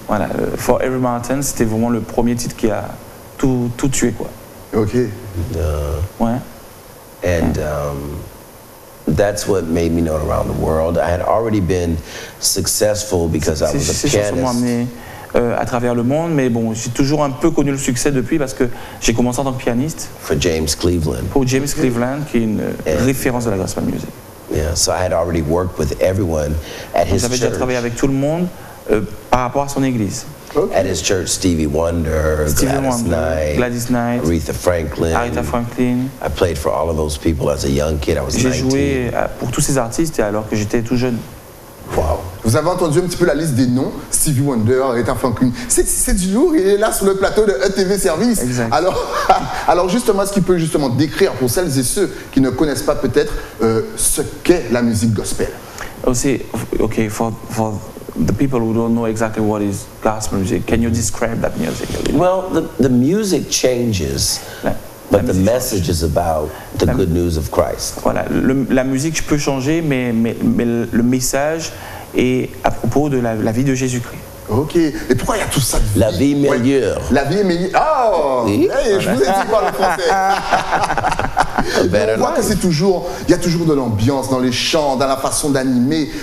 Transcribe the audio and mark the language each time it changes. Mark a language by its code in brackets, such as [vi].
[fr] Voilà, for Every Mountain, c'était vraiment le premier titre qui a tout tué, quoi. Okay. Ouais. [en] And that's what made me known around the world. I had already been successful because I was a pianist. [fr] C'est ça qui m'a amené à travers le monde, mais bon, j'ai toujours un peu connu le succès depuis parce que j'ai commencé en tant que pianiste. [en] For James Cleveland. [fr] Pour James Cleveland, qui est une référence de la gospel music. [en] Yeah, so I had already worked with everyone at his church. [fr] J'avais déjà travaillé avec tout le monde par rapport à son église. [en] Okay. At his church, Stevie Wonder, Gladys Knight, Aretha Franklin. I played for all of those people as a young kid. I was 19. [fr] J'ai joué pour tous ces artistes alors que j'étais tout jeune. Wow. Vous avez entendu un petit peu la liste des noms, Stevie Wonder, Aretha Franklin. C'est du lourd. Il est là sur le plateau de ETV Service. Exact. Alors justement, ce qu'il peut justement décrire pour celles et ceux qui ne connaissent pas peut-être ce qu'est la musique gospel. Aussi, [en] okay, for the people who don't know exactly what is gospel music, can you describe that music a little? Well, the music changes, but the message is about the good news of Christ. [fr] Voilà, la musique peut changer, mais le message est à propos de la vie de Jésus-Christ. Ok, mais pourquoi il y a tout ça? La vie meilleure. Ouais. La vie est meilleure. Oh, oui. Hey, voilà. Je vous ai dit pas le français. [en] Better [fr] on voit [en] life. [fr] Que c'est toujours, il y a toujours de l'ambiance dans les chants, dans la façon d'animer.